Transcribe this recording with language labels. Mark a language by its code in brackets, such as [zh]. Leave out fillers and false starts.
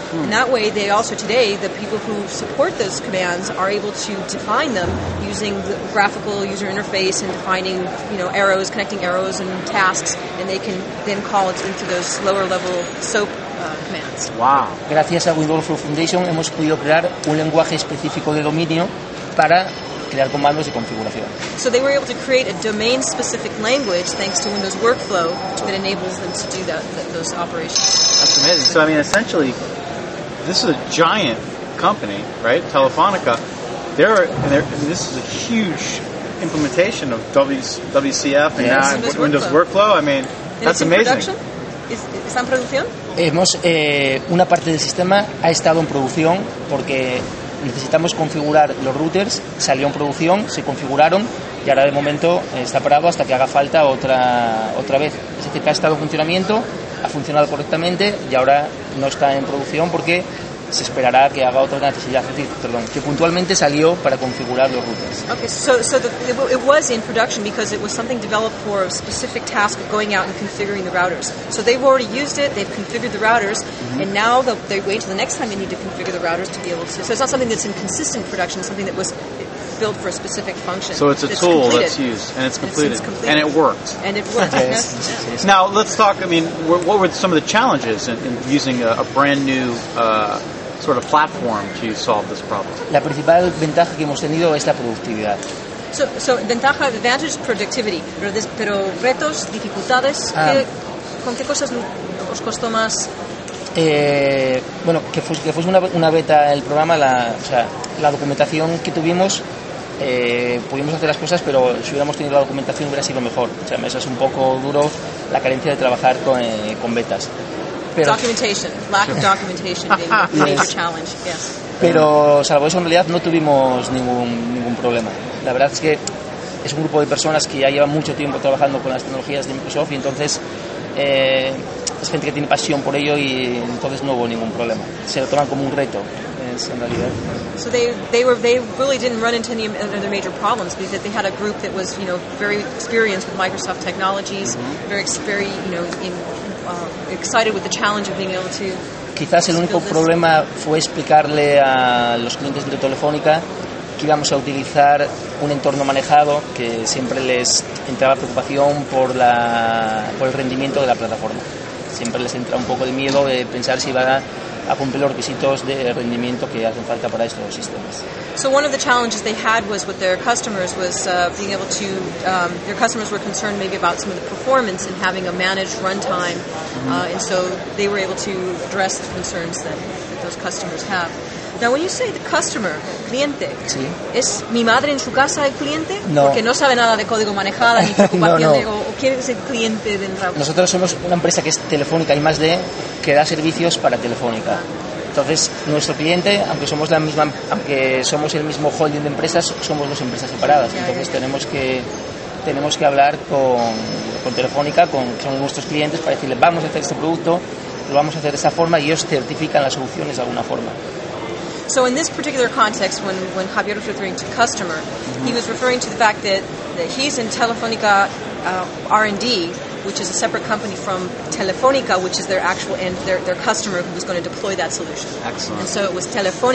[en] And that way they also today, the people who support those commands are able to define them using the graphical user interface and defining, you know, arrows, connecting arrows and tasks, and they can then call it into those lower level SOAP commands. Wow. [es] Gracias a Windows Workflow Foundation hemos podido crear un lenguaje específico de dominio para crear comandos de configuración. [en] So they were able to create a domain specific language thanks to Windows Workflow that enables them to do those operations. That's amazing. So I mean, essentially this is a giant company, right? Telefonica. And this is a huge implementation of WCF and now Windows Workflow. I mean, that's amazing. [es] Production? ¿Está en producción? Una parte del sistema ha estado en producción porque necesitamos configurar los routers, salió en producción, se configuraron y ahora de momento está parado hasta que haga falta otra vez. Es decir, ha estado en funcionamiento, ha funcionado correctamente y ahora no está en producción porque se esperará que haga otra necesidad, que puntualmente salió para configurar los routers. [en] Okay, it was in production because it was something developed for a specific task of going out and configuring the routers. So they've already used it, they've configured the routers, and now they wait until the next time they need to configure the routers to be able to. So it's not something that's in consistent production, it's something that was built for a specific function. So it's a tool completed. That's used, and it's completed. And it's completed. And it worked. And it worked. Yes. Yes. Now, let's talk, I mean, what were some of the challenges in using a brand new sort of platform to solve this problem? [es] La principal ventaja que hemos tenido es la productividad. [en] So ventaja, advantage, productivity. [es] Pero retos, dificultades, ¿con qué cosas os costó más? Que fuese una beta el programa, la documentación que tuvimos, pudimos hacer las cosas, pero si hubiéramos tenido la documentación hubiera sido mejor. O sea, eso es un poco duro, la carencia de trabajar con betas. [en] Pero, documentation, lack of documentation being a major challenge, yes. [es] Pero salvo eso, en realidad no tuvimos ningún problema. La verdad es que es un grupo de personas que ya llevan mucho tiempo trabajando con las tecnologías de Microsoft y entonces es gente que tiene pasión por ello y entonces no hubo ningún problema. Se lo toman como un reto, en realidad. [en] So they really didn't run into any other major problems because they had a group that was, you know, very experienced with Microsoft technologies, very you know, excited with the challenge of being able to. [es] Quizás el único problema fue explicarle a los clientes de Telefónica que íbamos a utilizar un entorno manejado que siempre les entra la preocupación por el rendimiento de la plataforma. Siempre les entra un poco de miedo de pensar si va a cumplir los requisitos de rendimiento que hacen falta para estos sistemas. [en] So one of the challenges they had was with their customers was being able to their customers were concerned maybe about some of the performance and having a managed runtime, and so they were able to address the concerns that those customers have. Now, when you say the customer, cliente, [es] sí. ¿Es mi madre en su casa el cliente? No. Porque no sabe nada de código manejado, ni preocupación, no. ¿O quién es el cliente del router? Nosotros somos una empresa que es Telefónica y más de, que da servicios para Telefónica. Entonces, nuestro cliente, aunque somos el mismo holding de empresas, somos dos empresas separadas. Entonces, tenemos que hablar con Telefónica, que son nuestros clientes, para decirle, vamos a hacer este producto, lo vamos a hacer de esta forma, y ellos certifican las soluciones de alguna forma. [en] So in this particular context, when Javier was referring to customer, he was referring to the fact that he's in Telefónica R&D, which is a separate company from Telefónica, which is their actual end, their customer who was going to deploy that solution. Excellent. And so it was Telefónica.